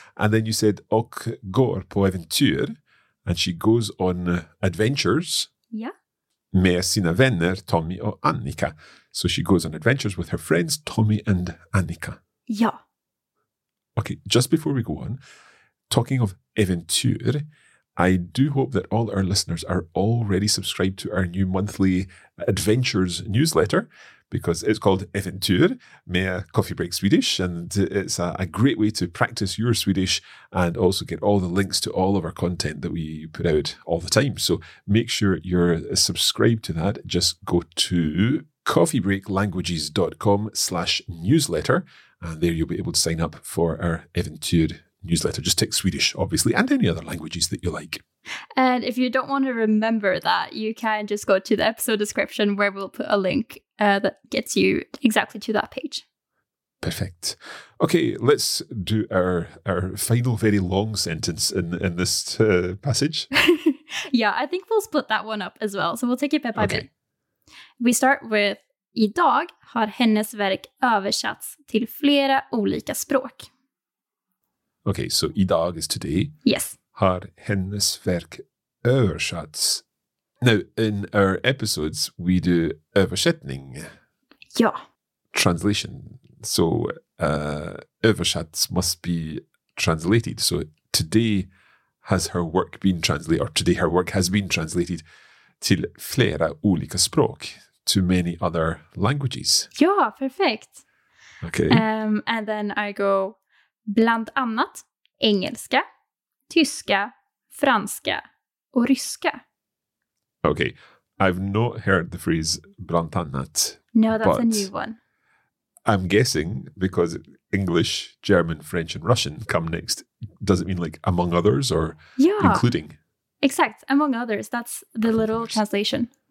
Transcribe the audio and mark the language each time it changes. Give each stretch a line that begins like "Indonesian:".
English: And then you said,
Swedish: och går på äventyr.
English: And she goes on adventures. Yeah.
Swedish: Med sina vänner, Tommy och Annika.
English: So she goes on adventures with her friends, Tommy and Annika. Yeah. Okay, just before we go on, talking of äventyr, I do hope that all our listeners are already subscribed to our new monthly adventures newsletter, because it's called Äventyr med Coffee Break Swedish, and it's a great way to practice your Swedish and also get all the links to all of our content that we put out all the time. So make sure you're subscribed to that. Just go to coffeebreaklanguages.com/newsletter, and there you'll be able to sign up for our Äventyr newsletter. Just take Swedish, obviously, and any other languages that you like. And if you don't want to remember that, you can just go to the episode description where we'll put a link that gets you exactly to that page. Perfect. Okay, let's do our final very long sentence in this passage. Yeah, I think we'll split that one up as well. So we'll take it bit by bit. We start with,
Swedish: idag har hennes verk översatts till flera olika språk.
English: Okay, so idag is today. Yes.
Swedish: Har hennes verk översatts.
English: Now, in our episodes, we do översättning.
Swedish: Ja.
English: Translation. So, översatts must be translated. So, today has her work been translated, or today her work has been translated
Swedish: till flera olika språk,
English: to many other languages.
Swedish: Ja, perfekt.
English: Okay. And then I go,
Swedish: bland annat engelska, tyska, franska och ryska.
English: Okay, I've not heard the phrase bland annat. No, that's a new one. I'm guessing because English, German, French and Russian come next. Does it mean like among others or yeah, including? Exact, among others. That's the among literal others. Translation.